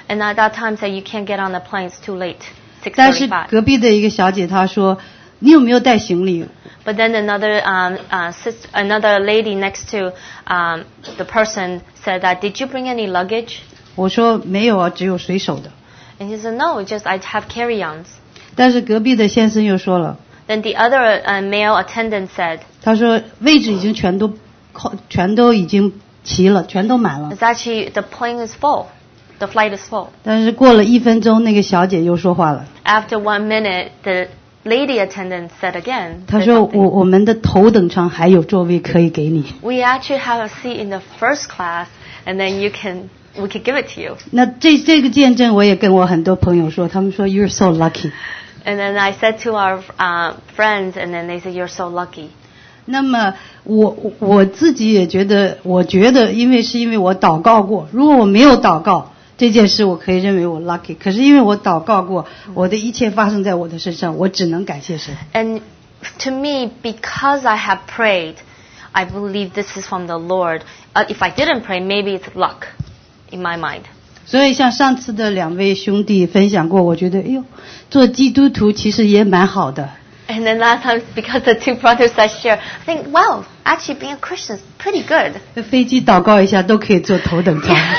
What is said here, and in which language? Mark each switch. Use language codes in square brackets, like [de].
[en] And at that time, said you can't get on the plane; it's too late. [zh] 但是隔壁的一个小姐她说，你有没有带行李？ [en] But then another lady next to the person said that, did you bring any luggage? [zh] 我说没有啊，只有随手的。 [en] And he said, no, just I have carry-ons. [zh] 但是隔壁的先生又说了。 [en] Then the other male attendant said, [zh] 他说位置已经全都已经齐了，全都满了。 [en] It's actually the plane is full. The flight is full. [zh] 但是过了一分钟，那个小姐又说话了。 [en] After 1 minute, the lady attendant said again. [zh] 她说我们的头等舱还有座位可以给你。 [en] We actually have a seat in the first class, and then we can give it to you. [zh] 那这个见证我也跟我很多朋友说，他们说 [en] you're so lucky. And then I said to our friends, and then they said you're so lucky. [zh] 那么我自己也觉得，我觉得因为我祷告过，如果我没有祷告这件事，我可以认为我 lucky。可是因为我祷告过，我的一切发生在我的身上，我只能感谢神。 [en] And to me, because I have prayed, I believe this is from the Lord. If I didn't pray, maybe it's luck in my mind. [zh] 所以像上次的两位兄弟分享过，我觉得哎呦，做基督徒其实也蛮好的。 [en] And then last time, because the two brothers I share, I think, well, actually being a Christian is pretty good. [zh] 飞机祷告一下都可以坐头等舱。